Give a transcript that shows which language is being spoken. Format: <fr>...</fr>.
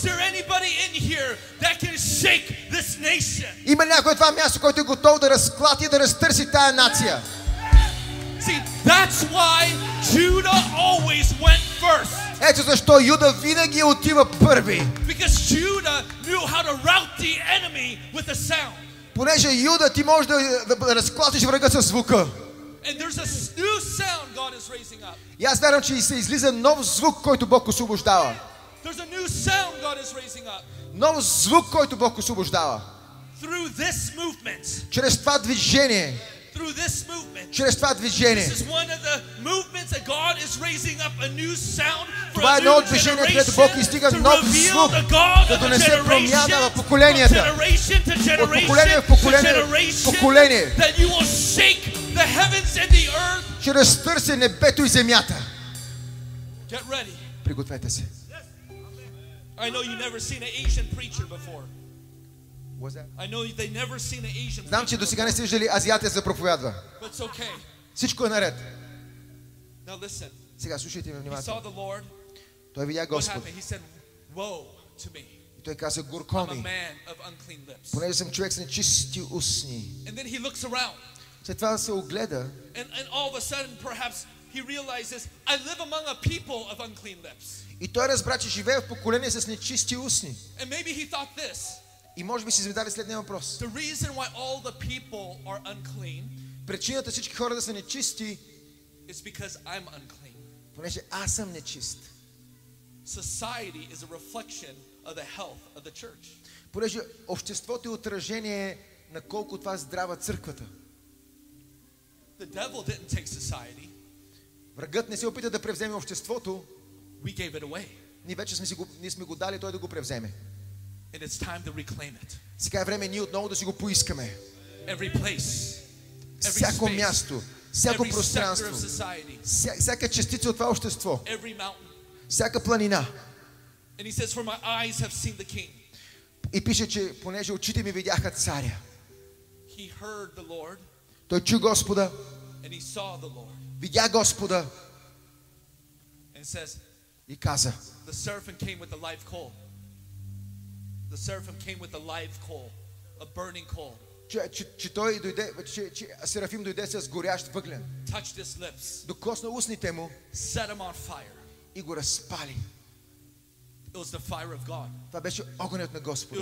<en>Is there anybody in here that can shake this nation?</en> <bg>Има някой в това място, който е готов да разклати и да разтърси тая нация?</bg> <en>See, that's why Judah always went first.</en> <bg>Ето защо Юда винаги отива първи.</bg> <en>Because Judah knew how to rout the enemy with a sound.</en> <bg>Понеже Юда, ти можеш да разклатиш врага със звука.</bg> <en>And there's a new sound God is raising up.</en> <bg>И аз вярвам, че се излиза нов звук, който Бог освобождава.</bg> <en>There's a new sound God is raising up.</en> <bg>Нов звук, който Бог освобождава.</bg> <en>Through this movement.</en> <bg>Чрез това движение.</bg> <en>Through this movement.</en> <bg>Чрез това движение.</bg> <en>This is one of the movements that God is raising up a new sound for.</en> <bg>Това е ново движение, където Бог издига нов звук, да донесе промяна в поколенията. От поколение в поколение, поколение.</bg> <en>That you will shake the heavens and the earth.</en> <bg>Ще разтърси небето и земята.</bg> <en>Get ready.</en> <bg>Пригответе се.</bg> <en>I know you've never seen an Asian preacher before. What's that? I know they never seen an Asian.</en> <bg>Знам, че до сега не сте виждали азиатец да проповядва.</bg> <en>But it's okay.</en> <bg>Всичко е наред.</bg> <en>Now listen.</en> <bg>Сега слушайте ме внимателно.</bg> <en>He saw the Lord.</en> <bg>Той видя Господ.</bg> <en>He said, "Woe to me."</en> <bg>И той каза: "Горко ми."</bg> <en>I'm a man of unclean lips.</en> <bg>Понеже съм човек с нечисти устни.</bg> <en>And then he looks around.</en> <bg>След това се огледа.</bg> <en>And all of a sudden, perhaps he realizes, I live among a people of unclean lips.</en> <bg>И той разбра, че живее в поколение с нечисти устни.</bg> <en>And maybe he thought this.</en> <bg>И може би си задали следния въпрос.</bg> <en>The reason why all the people are unclean.</en> <bg>Причината всички хора да са нечисти.</bg> <en>It's because I'm unclean.</en> <bg>Понеже аз съм нечист.</bg> <en>Society is a reflection of the health of the church.</en> <bg>Понеже обществото е отражение на колко това здрава църквата.</bg> <en>The devil didn't take society.</en> <bg>Врагът не се опита да превземе обществото.</bg> <en>We gave it away.</en> <bg>Ние вече сме го дали той да го превземе.</bg> <en>And it's time to reclaim it.</en> <bg>Сега е време ние отново да си го поискаме.</bg> <en>Every place.</en> <bg>Всяко място, всяко пространство, всяка частица от това общество, всяка планина.</bg> <en>And he says, for my eyes have seen the king.</en> <bg>И пише, че понеже очите ми видяха царя.</bg> <en>He heard the Lord.</en> <bg>Той чу Господа.</bg> <en>And he saw the Lord.</en> <bg>Видя Господа.</bg> <en>And says,</en> <bg>и каза,</bg> <en>the servant came with a live coal. The servant came with a live coal, a burning coal.</en> <bg>Че той дойде, че Серафим дойде с горящ въглен.</bg> <en>Touched his lips.</en> <bg>Докосна устните му.</bg> <en>Set him on fire.</en> <bg>И го разпали.</bg> <en>It was the fire of God.</en> <bg>Това беше огънят на Господа.</bg>